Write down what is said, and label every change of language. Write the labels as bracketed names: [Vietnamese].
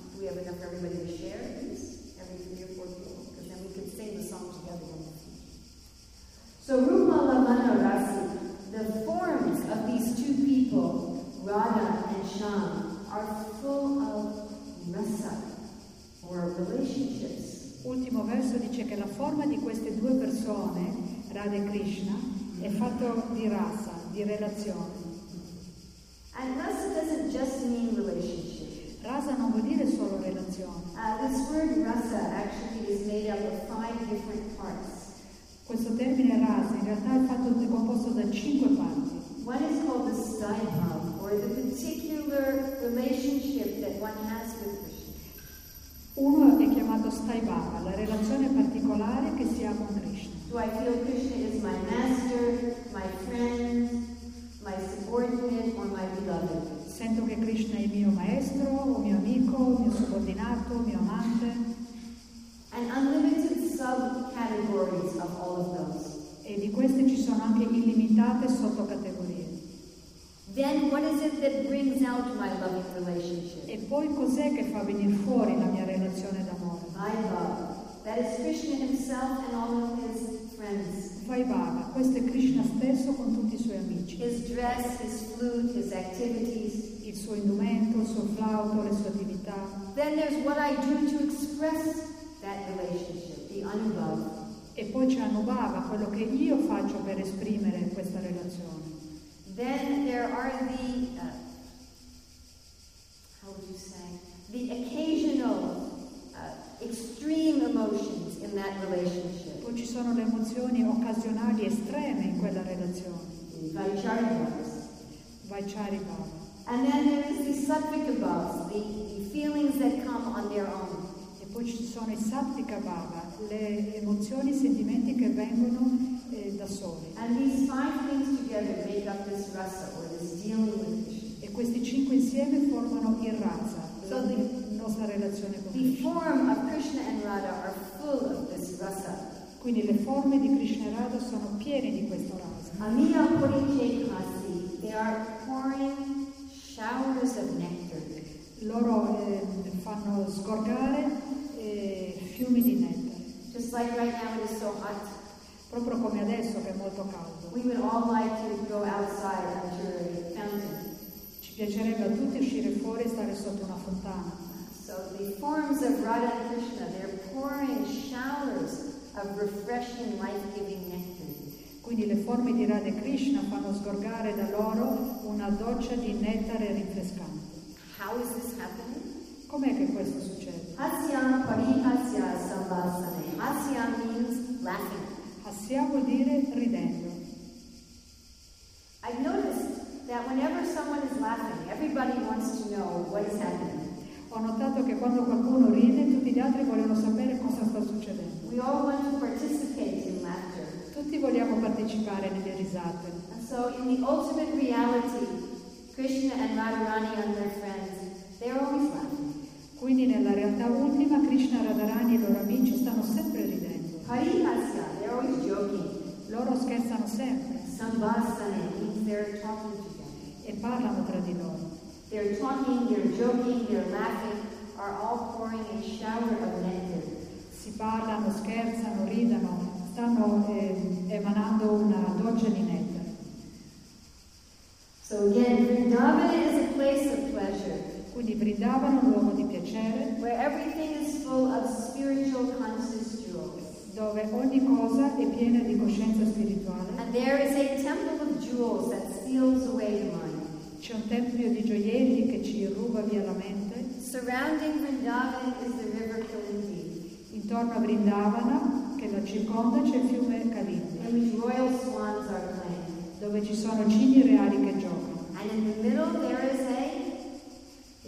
[English] Do we have enough for everybody to share these? Every three or four people? Because then we can sing the song together. So [Sanskrit] Rupa lamana rasi, [English] the forms of these two people, Radha and Shyam, are full of rasa. Or relationships. [Italian] Ultimo verso dice che la forma di queste due persone, Radha e Krishna, è fatto di rasa, di relazioni. [English] And rasa doesn't just mean relationships. [Italian] Rasa non vuol dire solo relazioni. [English] This word rasa actually is made up of five different parts. [Italian] Questo termine rasa in realtà è fatto di, composto da cinque parti. [English] One is called the sthaibha, or the particular relationship that one has with Krishna. [Italian] Uno è chiamato Staibhava, la relazione particolare che si ha con Krishna. [English] Do I feel Krishna is my master, my friend, my subordinate, or my beloved? [Italian] Sento che Krishna è mio maestro, o mio amico, mio subordinato, mio amante. [English] And unlimited subcategories of all of those. [Italian] E di queste ci sono anche illimitate sottocategorie. [English] Then what is it that brings out my loving relationship? [Italian] E poi cos'è che fa venire fuori la mia relazione d'amore? [English] That is Krishna himself and all of his friends. [Italian] Vaibhava, questo è Krishna stesso con tutti i suoi amici. [English] His dress, his flute, his activities. [Italian] Il suo indumento, il suo flauto, le sue attività. [English] Then there's what I do to express that relationship, the anubhava. [Italian] E poi c'è anubhava, quello che io faccio per esprimere questa relazione. [English] Then there are the how would you say the occasional extreme emotions in that relationship. [Italian] Poi ci sono le emozioni occasionali estreme in quella relazione. [English] Vaicharibhava. And then there is the sattvikabhava, the feelings that come on their own. [Italian] E poi ci sono i sattvikabhava, le emozioni, i sentimenti che vengono. Da soli. [English] And these five things together make up this rasa or this dealing with Krishna. [Italian] E questi cinque insieme formano il rasa, so la nostra relazione con [English] Krishna. The form of Krishna and Radha are full of this rasa. [Italian] Quindi le forme di Krishna e Radha sono piene di questo rasa. [Sanskrit] Amiya porice kasi, [English] they are pouring showers of nectar. [Italian] Loro fanno sgorgare fiumi di nectar. [English] Just like right now it is so hot. [Italian] Proprio come adesso che è molto caldo. [English] We would all like to go outside under a fountain. [Italian] Ci piacerebbe a tutti uscire fuori e stare sotto una fontana. [English] So the forms of Radha and Krishna, they're pouring showers of refreshing, life-giving nectar. [Italian] Quindi le forme di Radha e Krishna fanno sgorgare da loro una doccia di nettare rinfrescante. [English] How is this happening? [Italian] Com'è che questo succede? [Sanskrit] Hasyam parihasya sambhasane. [English] Hasyam means laughing. [Italian] Hasya vuol dire ridendo. [English] I've noticed that whenever someone is laughing, everybody wants to know what is happening. [Italian] Ho notato che quando qualcuno ride, tutti gli altri vogliono sapere cosa sta succedendo. [English] We all want to participate in laughter. [Italian] Tutti vogliamo partecipare nelle risate. [English] And so in the ultimate reality, Krishna and Radharani and their friends, they're always laughing. [Italian] Quindi nella realtà ultima, Krishna, Radharani e i loro amici stanno sempre ridendo. [English] Parihasya, they're always joking. [Italian] Loro scherzano sempre. [English] Sambhasane means they're talking together. [Italian] parlano tra di loro. [English] They're talking, they're joking, they're laughing, are all pouring a shower of nectar. [Italian] Si parlano, scherzano, ridano, stanno emanando una doccia di nettare. [English] So again, Vrindavan is a place of pleasure. [Italian] Quindi Vrindavan è un luogo di piacere. [English] Where everything is full of spiritual conscious jewels. [Italian] Dove ogni cosa è piena di coscienza spirituale. [English] And there is a temple of jewels that steals away the mind. [Italian] C'è un tempio di gioielli che ci ruba via la mente. [English] Surrounding Vrindavan is the river Kalindi. [Italian] Intorno a Vrindavana, che la circonda, c'è il fiume Kalindi. [English] In which royal swans are playing. [Italian] Dove ci sono cigni reali che giocano. [English] And in the middle there is a...